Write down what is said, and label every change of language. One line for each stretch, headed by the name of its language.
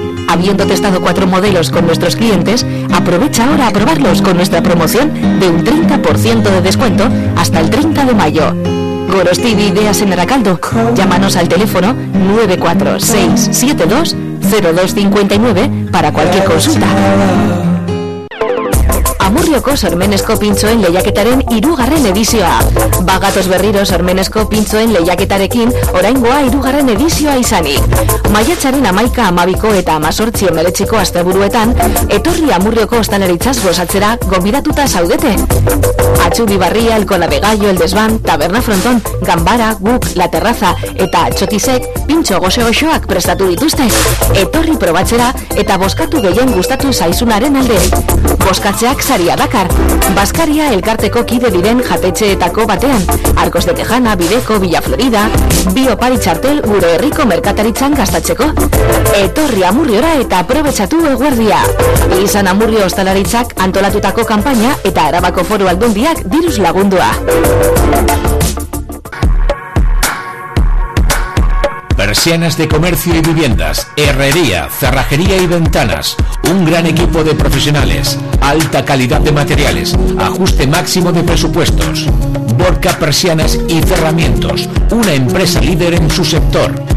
Spanish: Habiendo testado 4 modelos con nuestros clientes, aprovecha ahora a probarlos con nuestra promoción de un 30% de descuento hasta el 30 de mayo. Gorostidi Ideas en Aracaldo. Llámanos al teléfono 946720259 para cualquier consulta.
Basque: Amurrioko sormenezko pintxoen lehiaketaren irugarren edizioa. Bagatoz berriro sormenezko pintxoen lehiaketarekin oraingoa irugarren edizioa izanik. Maiatzaren 11, 12 eta 18 19ko asteburuetan etorri Amurrioko ostalaritzaz gozatzera gobidatuta zaudete. Atxubi Barria, El Colabegallo, El Desban, Taberna Fronton, Gambara, Guk, La Terraza eta Txotisek pintxo goxe-goxoak prestatu dituzte. Etorri probatzera eta bozkatu gehien gustatu zaizunaren alde. Bozkatzeak Saria Dakar, Baskaria elkarteko kide diren jatetxeetako batean, Arcos de Tejana, Bideko, Villa Florida, Biopari Txartel, Gure Herriko Merkataritzan gastatzeko. Etorri Amurriora eta aprobetxatu eguerdia. Izan Amurrio Ostalaritzak antolatutako kanpaina eta Arabako Foru Aldundiak diruz lagundua.
Spanish: Persianas de comercio y viviendas, herrería, cerrajería y ventanas. Un gran equipo de profesionales, alta calidad de materiales, ajuste máximo de presupuestos. Borca Persianas y Cerramientos, una empresa líder en su sector.